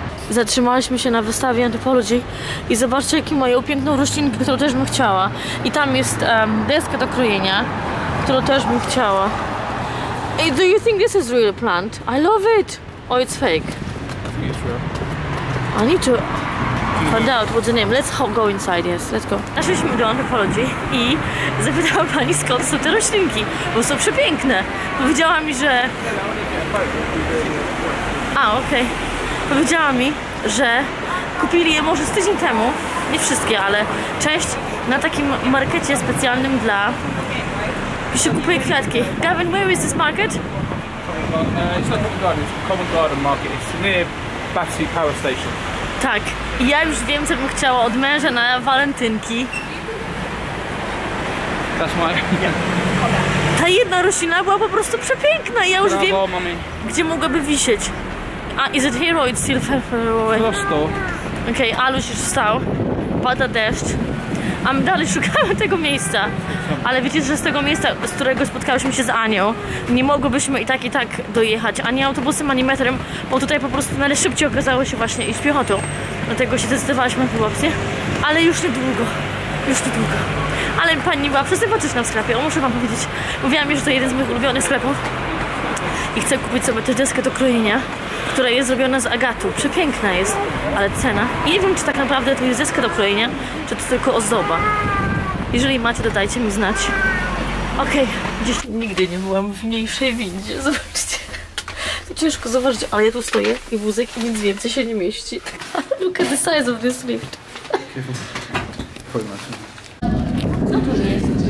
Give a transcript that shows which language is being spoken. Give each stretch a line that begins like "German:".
Polish: Zatrzymałyśmy się na wystawie Anthropology i zobaczcie, jakie mają piękną roślinkę, którą też bym chciała. I tam jest deska do krojenia, którą też bym chciała.
English: Hey, do you think this is real plant? I love it! Or it's fake? It's real. I need to find out what's the name. Let's go inside, yes, let's go.
Polish: Naszliśmy do Anthropology i zapytała pani, skąd są te roślinki, bo są przepiękne. Powiedziała mi, że... okej. Okay. Powiedziała mi, że kupili je może z tydzień temu, nie wszystkie, ale część, na takim markecie specjalnym dla... Pisze, kupuje kwiatki.
English: Gavin, where is this market? It's not Covent Garden, it's Covent Garden Market. It's near Battersea Power Station.
Polish: Tak, ja już wiem, co bym chciała od męża na walentynki.
English: That's my...
Polish: Ta jedna roślina była po prostu przepiękna i ja już wiem, gdzie mogłaby wisieć.
English: A, is it here or it's still far, far away?
Polish: Prosto. Okej, okay, Aluś już wstał. Pada deszcz. A my dalej szukamy tego miejsca. Ale wiecie, że z tego miejsca, z którego spotkałyśmy się z Anią, nie mogłybyśmy i tak dojechać ani autobusem, ani metrem, bo tutaj po prostu najszybciej okazało się właśnie iść piechotą. Dlatego się zdecydowaliśmy na tę opcję. Ale już niedługo. Już niedługo. Ale pani była przesympatyczna w sklepie, muszę wam powiedzieć. Mówiłam już, że to jeden z moich ulubionych sklepów. I chcę kupić sobie też deskę do krojenia, która jest zrobiona z agatu. Przepiękna jest, ale cena. I nie wiem, czy tak naprawdę to jest deska do krojenia, czy to tylko ozdoba. Jeżeli macie, to dajcie mi znać. Okej, okay. Gdzieś nigdy nie byłam w mniejszej windzie. Zobaczcie. To ciężko zobaczyć, ale ja tu stoję i wózek i nic więcej się nie mieści.
English: Look at the size of this lift.
Polish: Co to jest?